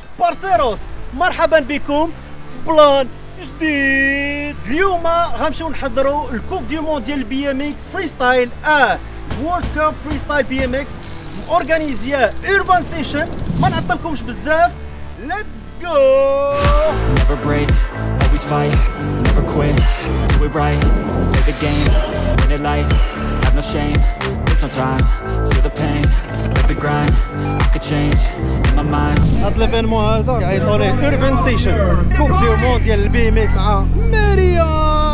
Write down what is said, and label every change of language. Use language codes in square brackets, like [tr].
[ar] بارسيروس، مرحبا بكم في بلان جديد. اليوم غنمشيو نحضروا الكوب دي مونديال بي ام اكس فريستايل، وورلد كوب فريستايل بي ام اكس، اورغانيزيا اوربان سيشن. ما نعطلكمش بزاف، [en] Let's go. Never break, always fight, never quit, do it right, play the game, win it life, have no shame, there's no time, feel the pain, let the grind, I could change in my mind. [ar] هاد ليفينمو هذا كيعيطوا ليه اوربان سيشن، كوب دي مونديال بي ام اكس مع ماريا.